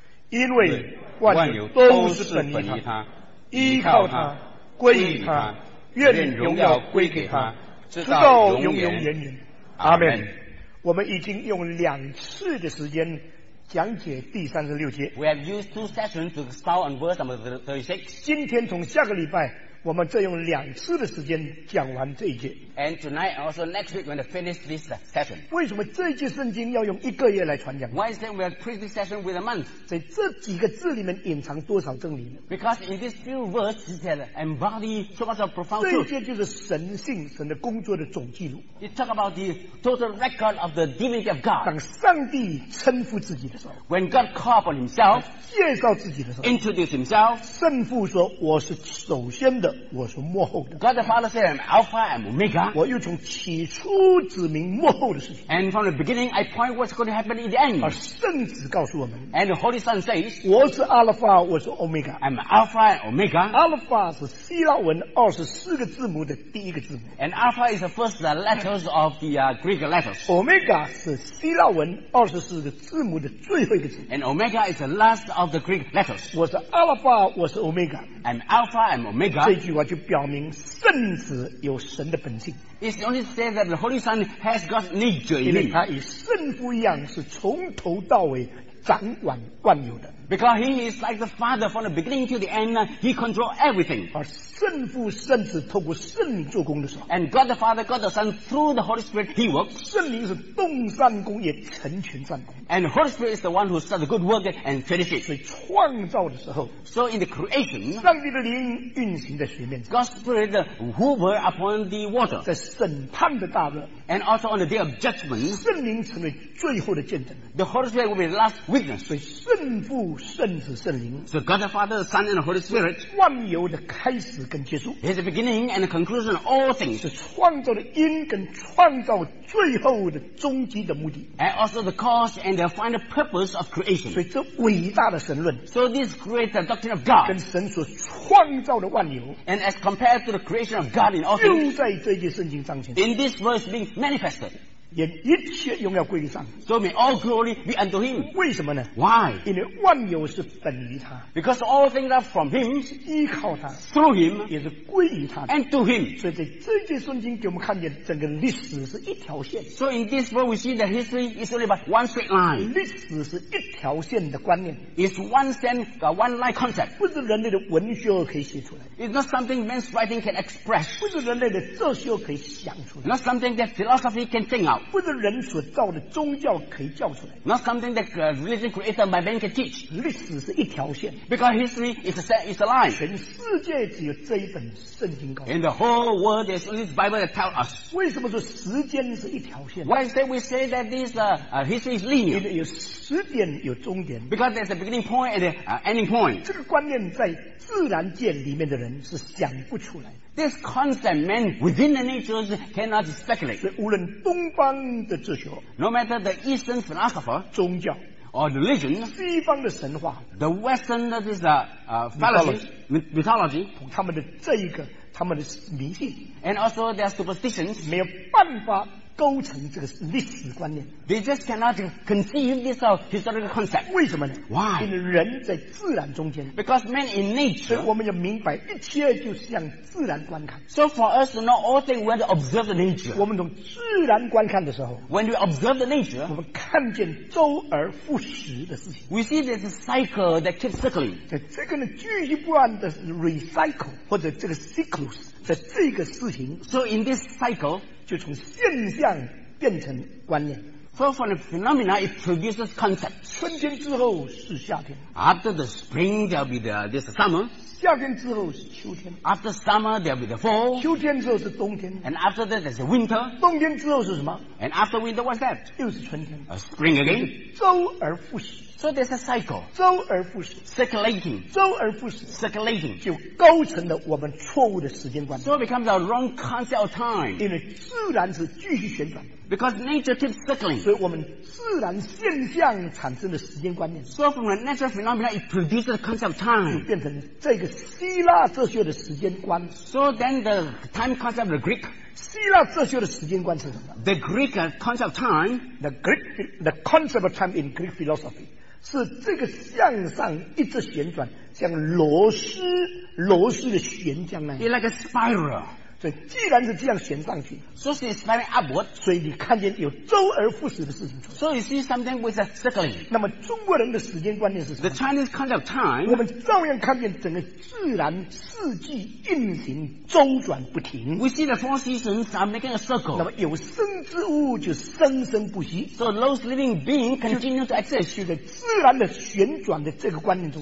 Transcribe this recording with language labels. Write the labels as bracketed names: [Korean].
[Chinese] 因为万有都是本于他，依靠他，归于他，愿荣耀归给他，直到永永远远。阿们。我们已经用两次的时间讲解第三十六节。 [English] We have used two sessions to start on verse number 36. [Chinese] 今天从下个礼拜，我们再用两次的时间讲完这一节。 [English] And tonight, also next week, we're going to finish this session. [Chinese] 为什么这一节圣经要用一个月来传讲 [English] ？Why is that we have preached this session with a month? [Chinese] 在这几个字里面隐藏多少真理 [English] ？Because in these few words, it has embodied so much of profound [Chinese] truth. 这一节就是神性、神的工作的总记录。 [English] It talks about the total record of the divinity of God. [Chinese] 当上帝称呼自己的时候 [English] ，When God calls on Himself， [Chinese] 介绍自己的时候 [English] ，Introduce Himself， [Chinese] 圣父说：“我是首先的。” 我是幕后的。 [English] God the Father said, "I'm Alpha and Omega." [Chinese] 我又从起初指明幕后的事情。 [English] And from the beginning, I point what's going to happen in the end. [Chinese] 而圣子告诉我们。 [English] And the Holy Son says, [Chinese] 我是 Alpha， 我是 Omega。 [English] I'm Alpha and Omega. [Chinese] Alpha 是希腊文24个字母的第一个字母。 [English] And Alpha is the first letters of the Greek letters. [Chinese] Omega 是希腊文24个字母的最后一个字母。 [English] And Omega is the last of the Greek letters. [Chinese] 我是 Alpha， 我是 Omega。 [English] I'm Alpha and Omega. [Chinese] 这句话就表明圣子有神的本性。 [English] It's only said that the Holy Son has God's nature in him. [Chinese] 因为他与圣父一样，是从头到尾掌管万有的。 [English] Because he is like the Father from the beginning to the end, he controls everything. [Chinese] 而圣父圣子透过圣灵做工的时候 [English] ，And God the Father, God the Son, through the Holy Spirit, he works. [Chinese] 圣灵是动善工，也成全善工。 [English] And the Holy Spirit is the one who starts good work and finishes. [Chinese] 所以创造的时候 [English] ，So in the creation, [Chinese] 上帝的灵运行在水面 [English] ，God's Spirit hover upon the water. [Chinese] 在审判的大日 [English] ，And also on the day of judgment, [Chinese] 圣灵成为最后的见证人 [English] ，The Holy Spirit will be the last witness. [Chinese] 所以圣父圣子圣灵 [English] ，So God the Father, Son, and the Holy Spirit, [Chinese] 万有的开始跟结束 [English] ，is the beginning and the conclusion of all things. [Chinese] 是创造的因跟创造最后的终极的目的 [English] ，and also the cause and the final purpose of creation. [Chinese] 所以这伟大的神论 [English] ，so this great doctrine of God, [Chinese] 跟神所创造的万有 [English] ，and as compared to the creation of God in all things, [Chinese] 就在这节圣经彰显 [English] ，in this verse being manifested. [Chinese] 也一切荣耀归于上帝 [English] So may all glory be unto him [Chinese] 为什么呢 [English] Why [Chinese] 因为万有是本于他 [English] Because all things are from him [Chinese] 是依靠他 [English] Through him [Chinese] 也是归于他 [English] And to him [Chinese] 所以在这节圣经给我们看见整个历史是一条线 [English] So in this world we see that history is only about one straight line [Chinese] 历史是一条线的观念 [English] It's one sense, one line concept [Chinese] 不是人类的文学可以写出来 [English] It's not something man's writing can express [Chinese] 不是人类的哲学可以想出来 [English] Not something that philosophy can think of [Chinese] 不是人所造的宗教可以教出来 [English] Not something that religion created by man can teach [Chinese] 历史是一条线 [English] Because history is a set, is a line [Chinese] 全世界只有这一本圣经告诉 [English] And the whole world there's only this Bible that tells us [Chinese] 为什么说时间是一条线 [English] Why is that we say that this history is linear [Chinese] 因为有时点有终点 [English] Because there's a beginning point and an ending point [Chinese] 这个观念在自然界里面的人是想不出来的 [English] This concept man within the nature cannot speculate. [Chinese] 所以无论东方的哲学 [English] No matter the Eastern philosopher [Chinese] 宗教 [English] Or religion [Chinese] 西方的神话 [English] The Western that is the fallacy mythology [Chinese] 他们的这一个他们的迷信 [English] And also their superstitions [Chinese] 没有办法构成这个历史观念 [English] They just cannot conceive this historical concept [Chinese] 为什么呢 [English] Why? [Chinese] 因为人在自然中间 [English] Because man in nature [Chinese] 所以我们要明白一切就像自然观看 [English] So for us to know all things we have to observe the nature [Chinese] 我们从自然观看的时候 [English] When we observe the nature [Chinese] 我们看见周而复始的事情 [English] We see there's a cycle that keeps circling [Chinese] 在这个呢继续不断的 recycle 或者这个 cyclus 的这个事情 [English] So in this cycle [Chinese] 就从现象变成观念 [English] from the phenomena, it produces concept. [Chinese] 春天之后是夏天。 [English] After the spring, there'll be this summer. [Chinese] 夏天之后是秋天。 [English] After summer, there'll be the fall. [Chinese] 秋天之后是冬天。 [English] And after that, there's a winter. [Chinese] 冬天之后是什么？ [English] And after winter, what's that? [Chinese] 又是春天。 [English] A spring again. [Chinese] 周而复始。 [English] So there's a cycle. [Chinese] 周而复始。 [English] Circulating. [Chinese] 周而复始。 [English] Circulating. [Chinese] 就构成了我们错误的时间观。 [English] So it becomes a wrong concept of time. [Chinese] 因为自然是继续旋转的。 [English] Because nature keeps circling. [Chinese] 所以我们自然现象产生的时间观念。 [English] So from a natural phenomenon, it produces the concept of time. [Chinese] 就变成这个希腊哲学的时间观。 [English] So then the time concept of the Greek. [Chinese] 希腊哲学的时间观是什么？ [English] The Greek concept of time. The concept of time in Greek philosophy. [Chinese] 是这个向上一直旋转，像螺丝的旋桨那样。 [English] It's like a spiral. [Chinese] 所以既然是这样旋上去 [English] so it's spinning upward, [Chinese] 所以你看见有周而复始的事情 [English] so you see something with a circling [Chinese] 那么中国人的时间观念是什么 [English] the Chinese concept of time [Chinese] 我们照样看见整个自然四季运行周转不停 [English] we see the four seasons are making a circle [Chinese] 那么有生之物就生生不息 [English] so those living beings continue to exist [Chinese] 就在自然的旋转的这个观念中